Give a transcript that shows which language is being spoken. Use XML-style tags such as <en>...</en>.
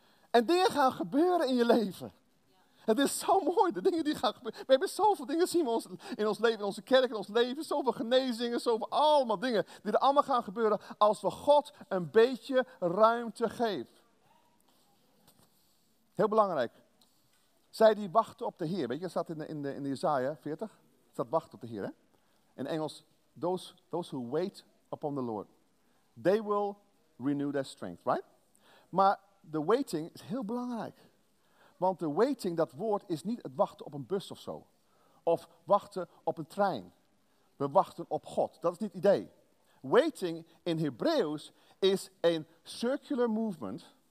<nl>En dingen gaan gebeuren in je leven. Het is zo mooi, de dingen die gaan gebeuren. We hebben zoveel dingen zien we in ons leven, in onze kerk, in ons leven. Zoveel genezingen, zoveel allemaal dingen die er allemaal gaan gebeuren. Als we God een beetje ruimte geven. Heel belangrijk. Zij die wachten op de Heer. Weet je, dat staat in de Jesaja 40. Staat wachten op de Heer. Hè? In Engels,</nl> <en>those who wait upon the Lord. They will renew their strength, right?</en> <nl>Maar de waiting is heel belangrijk. Want de waiting, dat woord, is niet het wachten op een bus of zo. Of wachten op een trein. We wachten op God. Dat is niet het idee. Waiting in Hebreeuws is een circular movement.</nl>